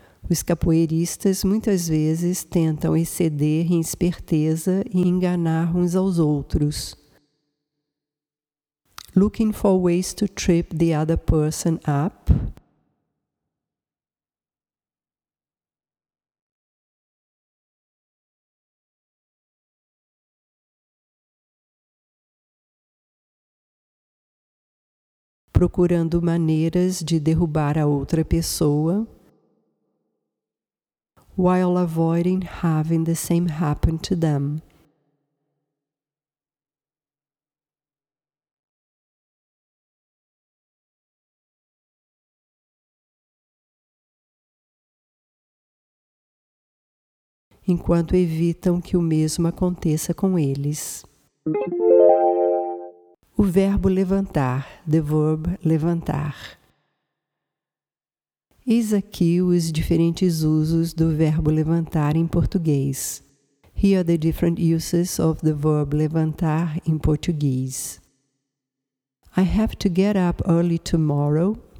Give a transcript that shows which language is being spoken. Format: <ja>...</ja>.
<pt>Os capoeiristas muitas vezes tentam exceder em esperteza e enganar uns aos outros.</pt> <en>Looking for ways to trip the other person up.</en> <pt>procurando maneiras de derrubar a outra pessoa,</pt> <en>while avoiding having the same happen to them.</en> <pt>Enquanto evitam que o mesmo aconteça com eles. O verbo levantar,</pt> <en>the verb levantar.</en> <pt>Eis aqui os diferentes usos do verbo levantar em português.</pt> <en>Here are the different uses of the verb levantar in Portuguese. I have to get up early tomorrow.</en>